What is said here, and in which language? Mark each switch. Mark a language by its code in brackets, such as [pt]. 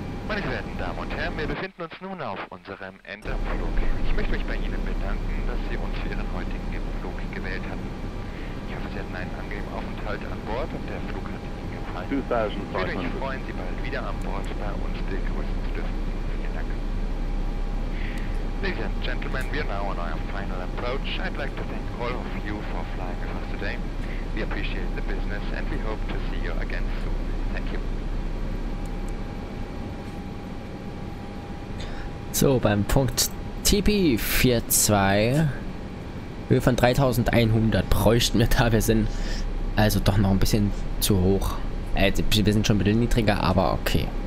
[de] Meine verehrten Damen und Herren, wir befinden uns nun auf unserem Endabflug. Ich möchte mich bei Ihnen bedanken, dass Sie uns für Ihren heutigen Flug gewählt hatten. Ich hoffe, Sie hatten einen angenehmen Aufenthalt an Bord und der Flug hat Ihnen gefallen. Ich freue mich, Sie bald wieder an Bord bei uns begrüßen zu dürfen. Vielen Dank. [en] Ladies and Gentlemen, we are now on our final approach. I'd like to thank all of you for flying with us today. We appreciate the business and we hope to see you again soon. Thank you. [de] So, beim Punkt TP42, Höhe von 3100 bräuchten wir da. Wir sind also doch noch ein bisschen zu hoch. Wir sind schon ein bisschen niedriger, aber okay.